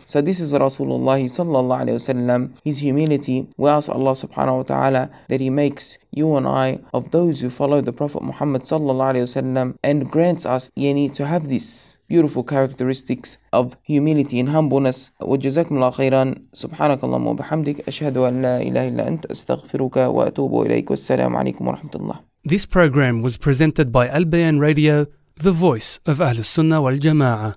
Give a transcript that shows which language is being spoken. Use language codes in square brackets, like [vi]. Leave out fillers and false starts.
[en] So this is Rasulullah sallallahu alaihi wasallam, his humility. We ask Allah subhanahu wa ta'ala that he makes you and I of those who follow the Prophet Muhammad sallallahu alaihi wasallam and grants us yani to have this beautiful characteristics of humility and humbleness. [ar] وجزاكم الله خيرا سبحانك اللهم وبحمدك أشهد أن لا إله إلا أنت أستغفرك وأتوب إليك والسلام عليكم ورحمة الله. [en] This program was presented by Al Bayan Radio, the voice of Ahlus Sunnah wal Jama'ah.